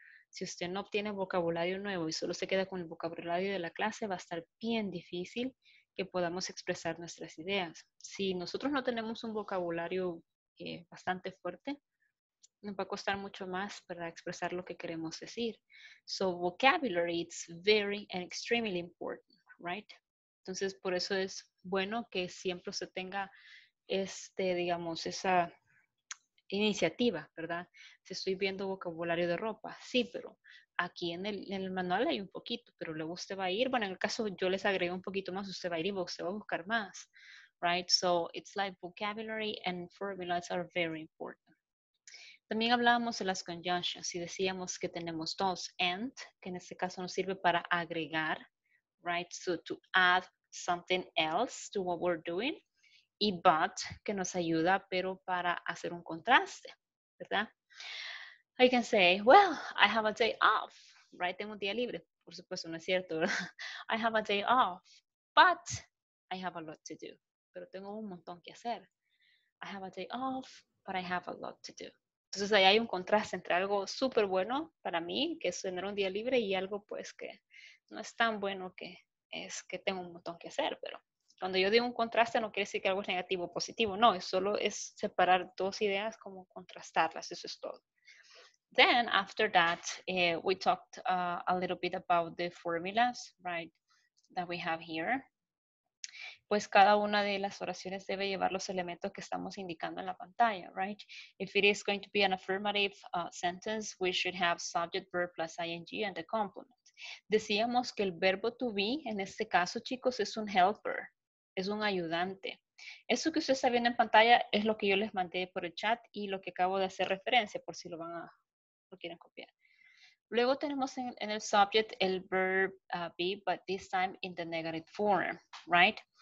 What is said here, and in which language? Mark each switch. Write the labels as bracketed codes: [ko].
[es] Si usted no obtiene vocabulario nuevo y solo se queda con el vocabulario de la clase, va a estar bien difícil que podamos expresar nuestras ideas. Si nosotros no tenemos un vocabulario bastante fuerte, nos va a costar mucho más para expresar lo que queremos decir. [en] So, vocabulary is very and extremely important, right? [es] Entonces, por eso es bueno que siempre se tenga digamos, esa iniciativa, ¿verdad? Si estoy viendo vocabulario de ropa, sí, pero aquí en el manual hay un poquito, pero luego usted va a ir, bueno, en el caso yo les agregué un poquito más, usted va a ir y usted va a buscar más, [en] right? So, it's like vocabulary and formulas are very important. [es] También hablábamos de las conjunctions y decíamos que tenemos dos, and, que en este caso nos sirve para agregar, [en] right, so to add something else to what we're doing, [es] y but, que nos ayuda, pero para hacer un contraste, ¿verdad? [en] I can say, well, I have a day off, right, [es] tengo un día libre, por supuesto, no es cierto, ¿verdad? [en] I have a day off, but I have a lot to do, [es] pero tengo un montón que hacer, [en] I have a day off, but I have a lot to do. [es] Entonces, ahí hay un contraste entre algo súper bueno para mí, que es tener un día libre, y algo, pues, que no es tan bueno, que es que tengo un montón que hacer. Pero cuando yo digo un contraste, no quiere decir que algo es negativo o positivo. No, es solo es separar dos ideas, como contrastarlas. Eso es todo. [en] Then, after that, we talked a little bit about the formulas, right, that we have here. [es] Pues cada una de las oraciones debe llevar los elementos que estamos indicando en la pantalla, [en] right? If it is going to be an affirmative sentence, we should have subject, verb, plus ing, and the complement. [es] Decíamos que el verbo to be, en este caso, chicos, es un helper, es un ayudante. Eso que usted está viendo en pantalla es lo que yo les mandé por el chat y lo que acabo de hacer referencia, por si lo quieren copiar. Luego tenemos en el subject el verb be, [en] but this time in the negative form, right?